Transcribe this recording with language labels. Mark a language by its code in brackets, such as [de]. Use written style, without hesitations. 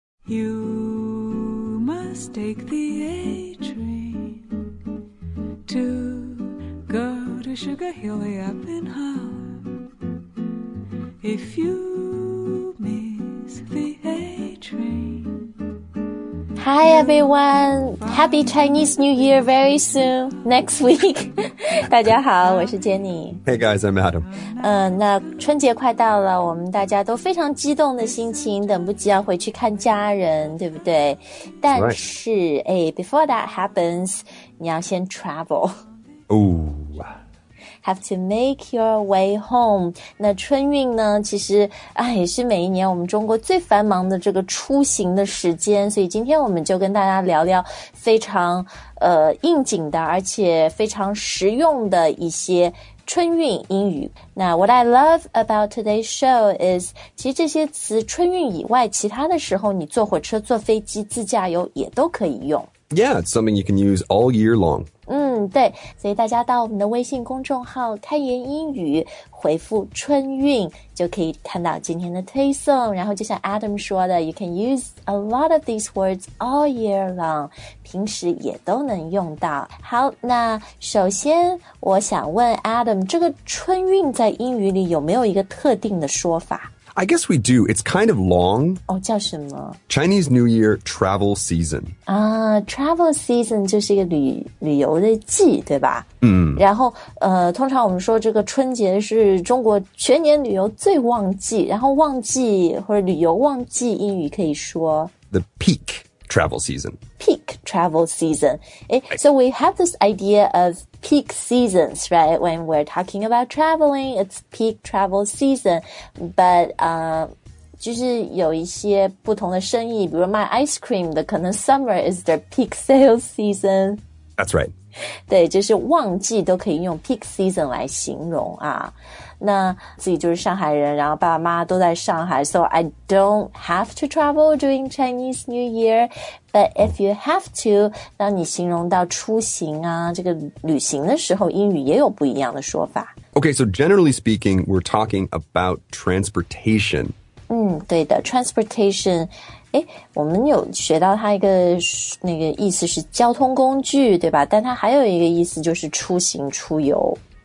[en] You must take the A train to go to Sugar Hill way up in Harlem. If you miss the A train. Hi everyone, Happy Chinese New Year very soon, next week. [zh] 大家好，我是 Jenny. [en] Hey guys, I'm Adam. [zh] 那春节快到了，我们大家都非常激动的心情，等不及要回去看家人，对不对？但是、 [en] right. Before that happens, [zh] 你要先 [en] travel. Ooh. Have to make your way home. [zh] 那春运呢，其实也是每一年我们中国最繁忙的这个出行的时间，所以今天我们就跟大家聊聊非常应景的而且非常实用的一些春运英语。 [en] Now, what I love about today's show is, [zh] 其实这些词春运以外，其他的时候你坐火车、坐飞机、自驾游也都可以用。 [en] Yeah, it's something you can use all year long. [zh] 对。所以大家到我们的微信公众号开言英语回复春运就可以看到今天的推送。然后就像 Adam 说的 [en] ,you can use a lot of these words all year long, [zh] 平时也都能用到。好，那首先我想问 Adam, 这个春运在英语里有没有一个特定的说法？ [en] I guess we do. It's kind of long. [zh] 叫什么？ [en] Chinese New Year Travel Season. [zh] Travel Season 就是一个旅游的季，对吧？然后通常我们说这个春节是中国全年旅游最旺季，然后旺季或者旅游旺季英语可以说 [en] The peak travel season. Peak travel season. So we have this idea of peak seasons, right? When we're talking about traveling, it's peak travel season. [zh] But, 就是有一些不同的生意，比如卖 ice cream 的，可能 [en] summer is their peak sales season. That's right. [zh] 对，就是旺季都可以用 peak season 来形容啊。那自己就是上海人，然后爸爸妈妈都在上海， [en] so I don't have to travel during Chinese New Year. But if you have to, [zh] 当你形容到出行啊，这个旅行的时候，英语也有不一样的说法。 [en] Okay, so generally speaking, we're talking about transportation. [zh] 对的 ，transportation。我们有学到它一个那个意思是交通工具，对吧？但它还有一个意思就是出行、出游。